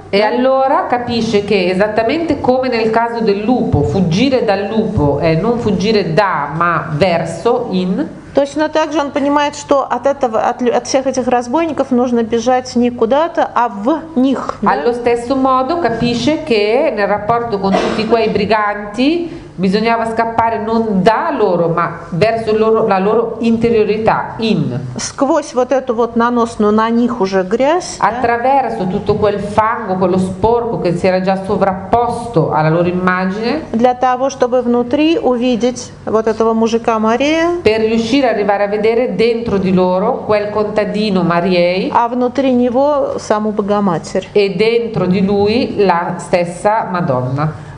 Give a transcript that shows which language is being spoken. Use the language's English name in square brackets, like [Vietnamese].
[Italian] E allora capisce che esattamente come nel caso del lupo, fuggire dal lupo è non fuggire da, ma verso, in. [Russian] Точно так же он понимает, что от этого, от всех этих разбойников нужно бежать не куда-то, а в них. [Italian] Allo stesso modo capisce che nel rapporto con tutti quei briganti bisognava scappare non da loro, ma verso loro, la loro interiorità, in. [Russian] Сквозь вот эту вот наносную на них уже грязь. [Italian] Attraverso tutto quel fango, quello sporco che si era già sovrapposto alla loro immagine. [Russian] Для того, чтобы внутри увидеть вот этого мужика Мария. [Italian] Per riuscire ad arrivare a vedere dentro di loro quel contadino Mariei. [Russian] А внутри него саму Богоматерь. [Italian] E dentro di lui la stessa Madonna.